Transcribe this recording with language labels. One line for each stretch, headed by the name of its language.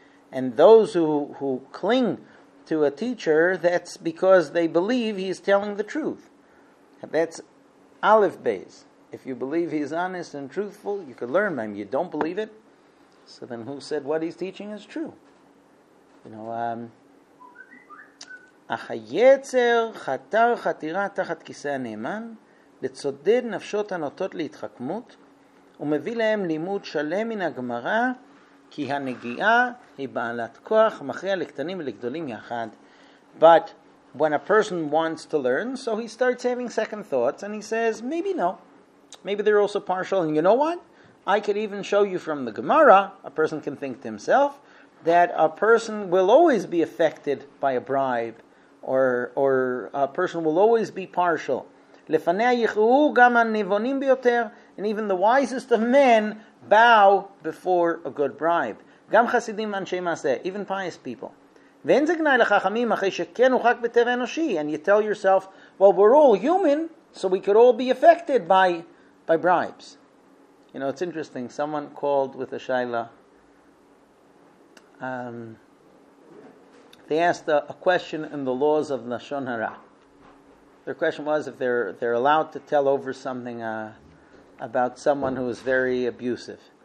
English: And those who cling to a teacher, that's because they believe he is telling the truth. That's Aleph Beis. If you believe he is honest and truthful, you could learn him. You don't believe it, so then who said what he's teaching is true? You know,
Hebrew: Achayetzer chatar chatira tachat kisei ha'neman letzodid nafshot hanotot lehitchakmut ומביא להם לימוד שלם מן הגמרא, כי הנגיעה היא בעלת כוח, מכריע לקטנים ולגדולים יחד.
English: But when a person wants to learn, so he starts having second thoughts, and he says, maybe no. Maybe they're also partial, and you know what? I could even show you from the Gemara, a person can think to himself, that a person will always be affected by a bribe, or a person will always be partial.
Hebrew: לפניה יחרו גם הנבונים ביותר,
English: and even the wisest of men bow before a good bribe. גם חסידים ואנשי מעשה, even pious people. ואין זה גנאי לחכמים אחרי שכן הוחק בטבע אנושי. And you tell yourself, well, we're all human, so we could all be affected by bribes. You know, it's interesting. Someone called with a shayla. They asked a question in the laws of Lashon Hara. Their question was if they're allowed to tell over something about someone who is very abusive.